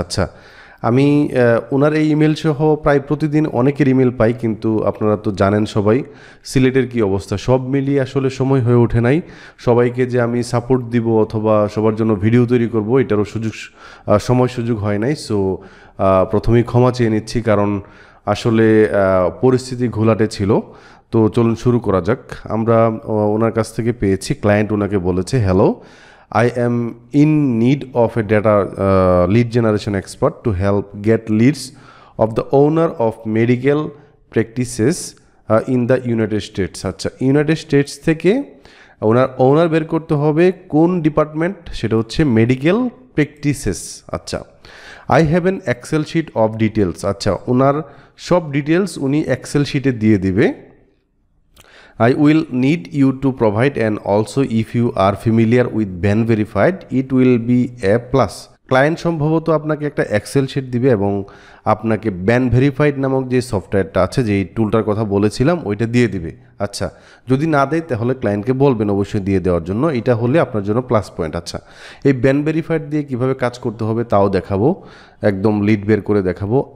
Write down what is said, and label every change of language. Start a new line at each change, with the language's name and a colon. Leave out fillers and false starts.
Bangla: আচ্ছা, আমি ওনার এই ইমেল সহ প্রায় প্রতিদিন অনেকের ইমেল পাই, কিন্তু আপনারা তো জানেন সবাই সিলেটের কি অবস্থা, সব মিলিয়ে আসলে সময় হয়ে ওঠে নাই সবাইকে যে আমি সাপোর্ট দিব অথবা সবার জন্য ভিডিও তৈরি করব, এটারও সময় সুযোগ হয় নাই। সো প্রথমেই ক্ষমা চেয়ে নিচ্ছি, কারণ আসলে পরিস্থিতি ঘোলাটে ছিল। তো চলুন শুরু করা যাক। আমরা ওনার কাছ থেকে পেয়েছি, ক্লায়েন্ট ওনাকে বলেছে, hello,
English: I am in need of a data lead generation expert to help get leads of the owner of medical practices in the United States.
Bangla: আচ্ছা, ইউনাইটেড স্টেটস থেকে ওনার ওনার বের করতে হবে কোন ডিপার্টমেন্ট, সেটা হচ্ছে মেডিকেল প্র্যাকটিসেস। আচ্ছা,
English: I have an excel sheet of details.
Bangla: আচ্ছা, ওনার সব ডিটেলস উনি এক্সেল শিটে দিয়ে দিবে।
English: I will need you to provide and also if you are familiar with Benverified, it will be a plus.
Bangla: Client সম্ভবত আপনাকে একটা এক্সেল শিট দিবে এবং আপনাকে Benverified নামক যে সফটওয়্যারটা আছে, যে টুলটার কথা বলেছিলাম, ওইটা দিয়ে দিবে। আচ্ছা, যদি না দেয় তাহলে ক্লায়েন্টকে বলবেন অবশ্যই দিয়ে দেওয়ার জন্য, এটা হলে আপনার জন্য প্লাস পয়েন্ট। আচ্ছা, এই Benverified দিয়ে কীভাবে কাজ করতে হবে তাও দেখাবো, একদম লিড বের করে দেখাবো।